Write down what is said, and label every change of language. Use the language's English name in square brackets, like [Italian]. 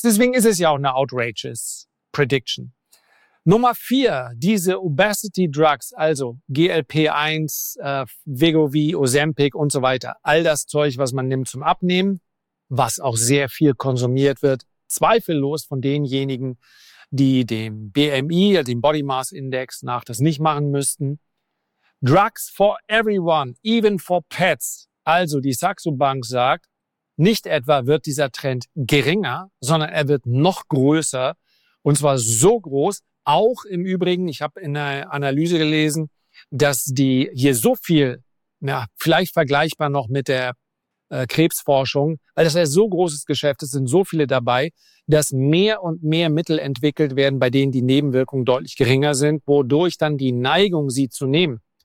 [German] Deswegen ist es ja auch eine outrageous prediction. Nummer 4, diese Obesity Drugs, also GLP-1, Wegovy, Ozempic und so weiter. All das Zeug, was man nimmt zum Abnehmen, was auch sehr viel konsumiert wird, zweifellos von denjenigen, die dem BMI, dem Body Mass Index nach, das nicht machen müssten. [English] Drugs for everyone, even for pets. [German] Also die Saxo Bank sagt, nicht etwa wird dieser Trend geringer, sondern er wird noch größer und zwar so groß. Auch im Übrigen, ich habe in der Analyse gelesen, dass die hier so viel, ja, vielleicht vergleichbar noch mit der Krebsforschung, weil das ja so großes Geschäft ist, sind so viele dabei, dass mehr und mehr Mittel entwickelt werden, bei denen die Nebenwirkungen deutlich geringer sind, wodurch dann die Neigung, sie zu nehmen.